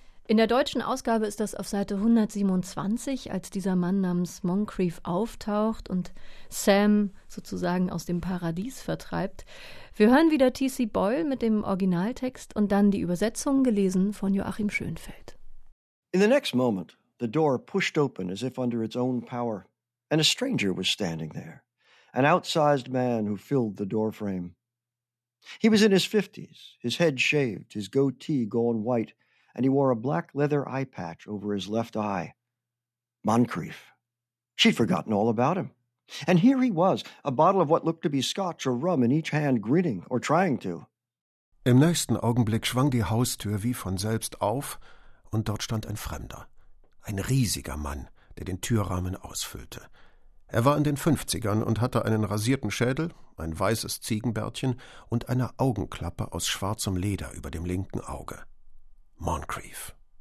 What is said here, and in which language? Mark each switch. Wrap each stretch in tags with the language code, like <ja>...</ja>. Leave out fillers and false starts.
<de>In der deutschen Ausgabe ist das auf Seite 127, als dieser Mann namens Moncrief auftaucht und Sam sozusagen aus dem Paradies vertreibt. Wir hören wieder T.C. Boyle mit dem Originaltext und dann die Übersetzung gelesen von Joachim Schönfeld.</de> <en>In the next moment, the door pushed open as if under its own power, and a stranger was standing there, an outsized man who filled the doorframe. He was in his 50s, his head shaved, his goatee gone white, and he wore a black leather eye patch over his left eye. Moncrief. She'd forgotten all about him. And here he was, a bottle of what looked to be scotch or rum in each hand, grinning or trying to.</en> <de>Im nächsten Augenblick schwang die Haustür wie von selbst auf, und dort stand ein Fremder. Ein riesiger Mann, der den Türrahmen ausfüllte. Er war in den 50ern und hatte einen rasierten Schädel, ein weißes Ziegenbärtchen und eine Augenklappe aus schwarzem Leder über dem linken Auge. Moncrief.</de>